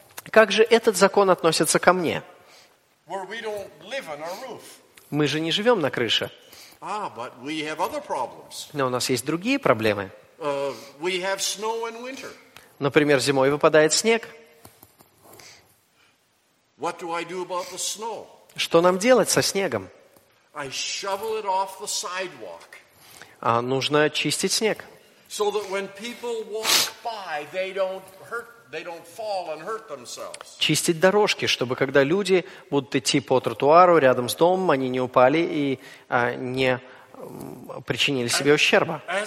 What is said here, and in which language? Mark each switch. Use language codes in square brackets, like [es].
[ru] Как же этот закон относится ко мне? Мы же не живем на крыше. [en] But we have other problems. [ru] Но у нас есть другие проблемы. [en] We have snow in winter. [ru] Например, зимой выпадает снег. [en] What do I do about the snow? [ru] Что нам делать со снегом? [en] I shovel it off the sidewalk. [ru] Нужно чистить снег. [en] So that when people walk by, they don't hurt. They don't fall and hurt themselves. [ru] Чистить дорожки, чтобы когда люди будут идти по тротуару рядом с домом, они не упали и не причинили себе ущерба.